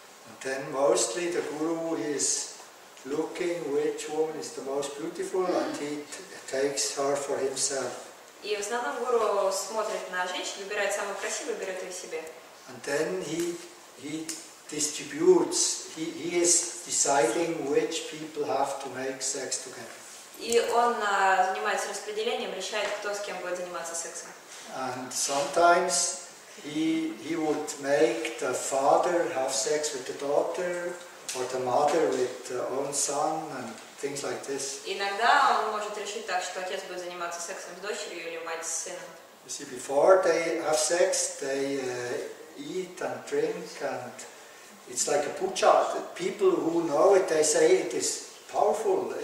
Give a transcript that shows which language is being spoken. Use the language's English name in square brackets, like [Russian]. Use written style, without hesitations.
[English] And then mostly the guru is looking which woman is the most beautiful and he takes her for himself. [Russian] И в основном гуру смотрит на женщин, выбирает самую красивую, берет ее себе. [English] And then he distributes, he is deciding which people have to make sex together. [Russian] И он занимается распределением, решает, кто с кем будет заниматься сексом. [English] And sometimes he would make the father have sex with the daughter, or the mother with the own son, and things like this. [Russian] Иногда он может решить так, что отец будет заниматься сексом с дочерью или мать с сыном. [English] You see, before they have sex, they eat and drink, and it's like a puja. People who know it, they say it is powerful.